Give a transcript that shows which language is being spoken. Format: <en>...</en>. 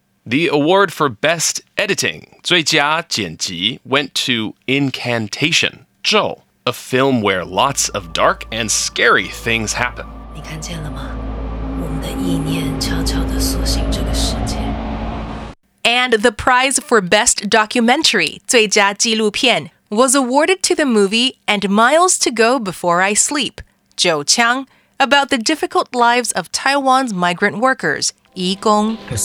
<en>The award for Best Editing, 最佳剪辑, went to Incantation, 咒, a film where lots of dark and scary things happen.</en> <zh>你看见了吗？我们的意念悄悄地苏醒这个世界。</zh> <en>And the prize for Best Documentary, 最佳纪录片, was awarded to the movie And Miles to Go Before I Sleep. Zhou Qiang, about the difficult lives of Taiwan's migrant workers, Yi Gong.</en>